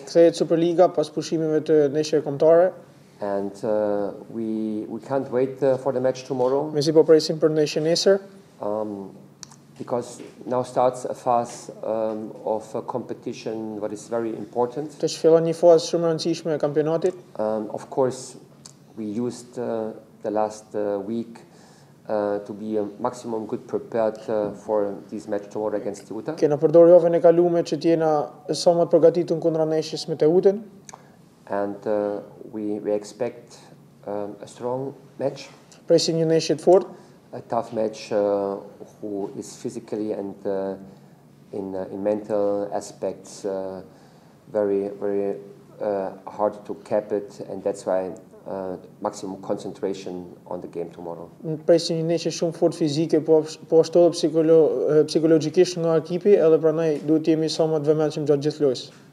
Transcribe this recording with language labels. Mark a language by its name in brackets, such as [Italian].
[Albanian] Kthehet Superliga pas pushimeve të nesër kombëtare. [English] And we can't wait for the match tomorrow. [Albanian] Me si po presim për nesër nesër. [English] Because now starts a phase of a competition that is very important. [Albanian] Tash fillon një fazë shumë e rëndësishme e kampionatit. [English] Of course, we used the last week to be maximum good prepared for this match tomorrow against Teuta. [Albanian] Kena përdorë javën e kaluar që t'jena sa më të përgatitur kundra Ndeshjes me Teutën. [English] And we expect a strong match. [Albanian] Presim një Ndeshje të fortë. [English] A tough match who is physically and in mental aspects very hard to cap it, and that's why maximum concentration on the game tomorrow. [Albanian] Presim një Ndeshje shumë fort fizike, po ashtu edhe psikologjikisht nga ekipi, edhe prandaj duhet të jemi sa më të vëmendshëm gjatë gjithë lojës.